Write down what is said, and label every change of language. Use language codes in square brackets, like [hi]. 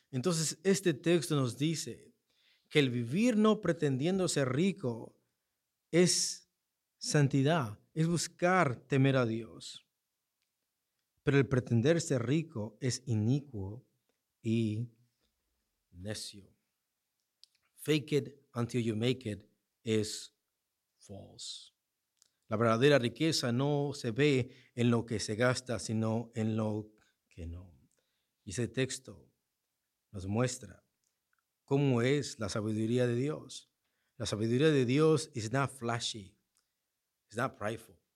[es] Entonces, este texto nos dice que el vivir no pretendiendo ser rico es santidad, es buscar temer a Dios. Pero el pretender ser rico es inicuo y necio. [en] Fake it until you make it is false. [es] La verdadera riqueza no se ve en lo que se gasta, sino en lo que no. Y ese texto nos muestra cómo es la sabiduría de Dios. La sabiduría de Dios [en] is not flashy. It's not prideful.